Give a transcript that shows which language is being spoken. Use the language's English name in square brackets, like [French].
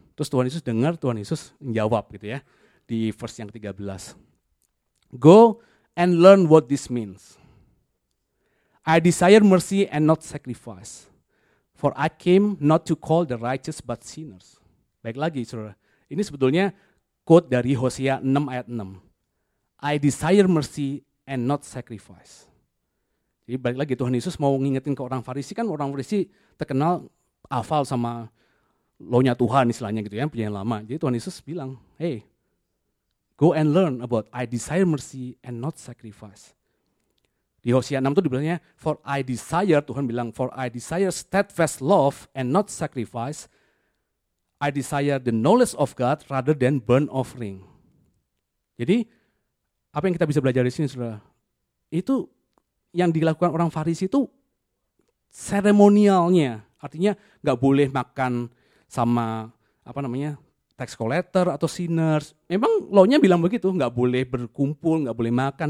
[Indonesian] Terus Tuhan Yesus dengar, Tuhan Yesus menjawab gitu ya di verse yang ke-13. [English] Go and learn what this means. I desire mercy and not sacrifice. For I came not to call the righteous but sinners. [Indonesian] Baik lagi, saudara. Ini sebetulnya quote dari Hosea 6 ayat 6. I desire mercy and not sacrifice. Jadi balik lagi, Tuhan Yesus mau ngingetin ke orang Farisi, kan orang Farisi terkenal hafal sama law-nya Tuhan istilahnya gitu ya, punya yang lama. Jadi Tuhan Yesus bilang, [English] hey, go and learn about I desire mercy and not sacrifice. [Indonesian] Di Hosea 6 itu dibilangnya, [English] for I desire, [Indonesian] Tuhan bilang, [English] for I desire steadfast love and not sacrifice. I desire the knowledge of God rather than burnt offering. [Indonesian] Jadi, apa yang kita bisa belajar di sini, saudara? Itu yang dilakukan orang Farisi itu seremonialnya. Artinya, gak boleh makan sama, tax collector atau sinners. Memang law-nya bilang begitu, gak boleh berkumpul, gak boleh makan.